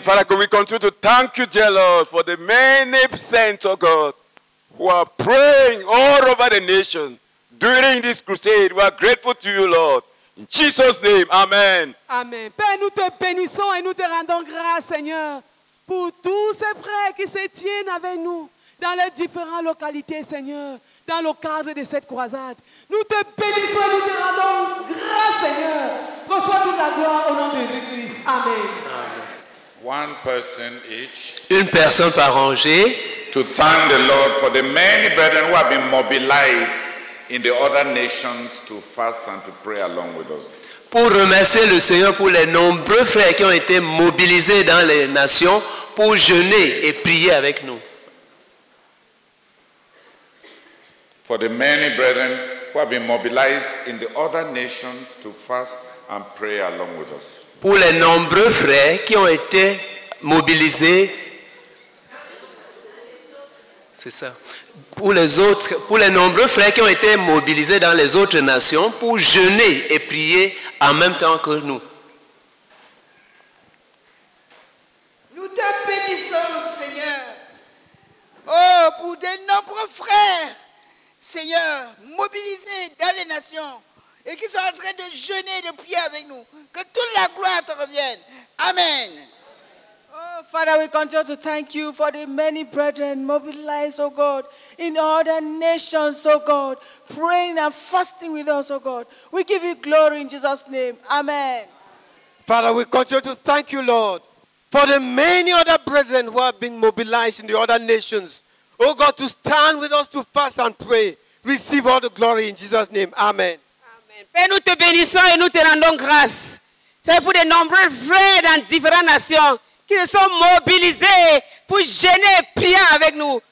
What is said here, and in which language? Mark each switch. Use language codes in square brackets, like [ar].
[en] Father, can we continue to thank you, dear Lord, for the many saints, oh God, who are praying all over the nation during this crusade. We are grateful to you, Lord. In Jesus' name, amen. Amen. [fr] Père, nous te bénissons et nous te rendons grâce, Seigneur, pour tous ces frères qui se tiennent avec nous dans les différentes localités, Seigneur, dans le cadre de cette croisade. Nous te bénissons et nous te rendons grâce, Seigneur. Reçois toute la gloire au nom de Jésus-Christ. Amen. [en] One person each. [fr] Une personne par rangée. [en] To thank the Lord for the many brethren who have been mobilized in the other nations to fast and to pray along with us. [fr] Pour remercier le Seigneur pour les nombreux frères qui ont été mobilisés dans les nations pour jeûner et prier avec nous. [en] For the many brethren who have been mobilized in the other nations to fast and pray along with us. [fr] Pour les nombreux frères qui ont été mobilisés, c'est ça. Pour les nombreux frères qui ont été mobilisés dans les autres nations pour jeûner et prier en même temps que nous. Nous te bénissons, Seigneur. Oh, pour de nombreux frères, Seigneur, mobilisés dans les nations et qui sont en train de jeûner et de prier avec nous. Que toute la gloire te revienne. Amen. [en] Oh, Father, we continue to thank you for the many brethren mobilized, oh God, in all the nations, oh God, praying and fasting with us, oh God. We give you glory in Jesus' name. Amen. Father, we continue to thank you, Lord, for the many other brethren who have been mobilized in the other nations, oh God, to stand with us to fast and pray. Receive all the glory in Jesus' name. Amen. [fr] Père, nous te bénissons et nous te rendons grâce. C'est pour de nombreux frères dans différentes nations qui se sont mobilisés pour jeûner et prier avec nous.